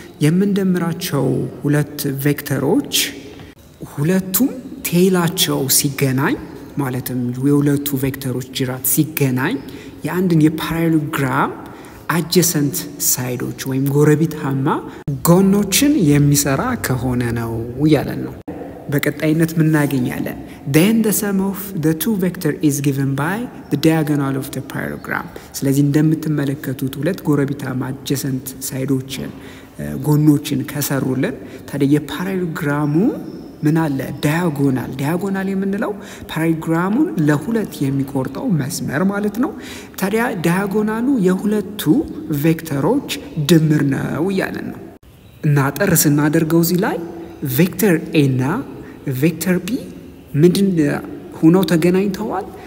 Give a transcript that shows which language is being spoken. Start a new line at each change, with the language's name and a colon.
Amharic: የምንደምራቸው ሁለት ቬክተሮች ሁለቱም ቴይላቸው ሲገናኝ ማለትም የሁለቱ ቬክተሮች ጅራት ሲገናኝ የአንድን የፓራሎግራም adjacent sides ወይም ጎረቤታማ ጎኖችን የሚሰራ ከሆነ ነው ያለን ነው። በቀጣይነት ምናገኛለን?
English: Then the sum of the two vector is given by the diagonal of the parallelogram.
Amharic: ስለዚህ እንደምትመለከቱት ሁለት ጎረቤታማ adjacent sides ጎኖችን ከሰሩልን ታዲያ የፓራሎግራሙ ምን አለ? ዳያጎናል። ዳያጎናል የምንለው ፓራሎግራሙን ለሁለት የሚቆርጠው መስመር ማለት ነው። ታዲያ ዳያጎናሉ የሁለቱ ቬክተሮች ድምር ነው ያለን ነው። እና ጠርስ እናደርገው እዚህ ላይ ቬክተር A እና ቬክተር B ምንድን ሆነው ተገናኝተዋል?